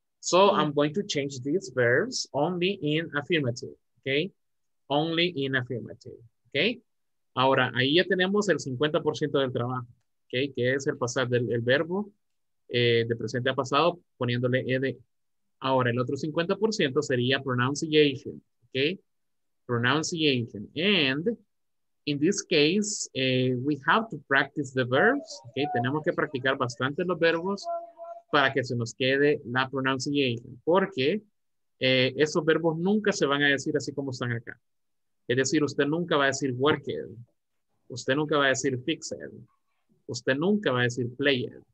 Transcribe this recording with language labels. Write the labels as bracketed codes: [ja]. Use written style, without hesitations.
[en] So I'm going to change these verbs only in affirmative. Okay. Only in affirmative. Okay. [es] Ahora, ahí ya tenemos el 50% del trabajo, ¿okay? Que es el pasar del verbo de presente a pasado poniéndole ed. Ahora, el otro 50% sería pronunciation, ¿okay? [en] Pronunciation. And in this case, we have to practice the verbs, ¿okay? [es] Tenemos que practicar bastante los verbos para que se nos quede la pronunciation, porque esos verbos nunca se van a decir así como están acá. Es decir, usted nunca va a decir worked. Usted nunca va a decir fixed. Usted nunca va a decir played.